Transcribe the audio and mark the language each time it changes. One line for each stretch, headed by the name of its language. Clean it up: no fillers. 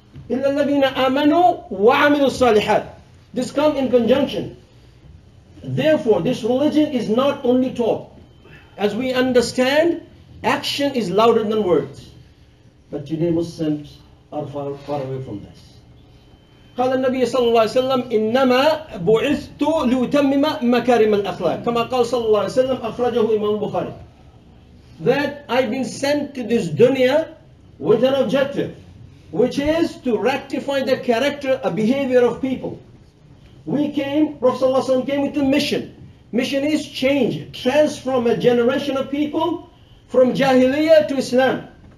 Arabic: إِلَّا الَّذِينَ آمَنُوا وَعَمِلُوا الصَّالِحَاتِ.
English: This comes in conjunction. Therefore, this religion is not only talk. As we understand, action is louder than words. But today Muslims are far, far away from this.
Arabic: قال النبي صلى الله عليه وسلم إنما بعثت لأتمم مكارم الأخلاق. كما قال صلى الله عليه وسلم أخرجه إمام البخاري.
English: That I've been sent to this dunya with an objective, which is to rectify the character, a behavior of people. We came, Prophet ﷺ came with a mission. Mission is change, transform a generation of people from Jahiliyyah to Islam.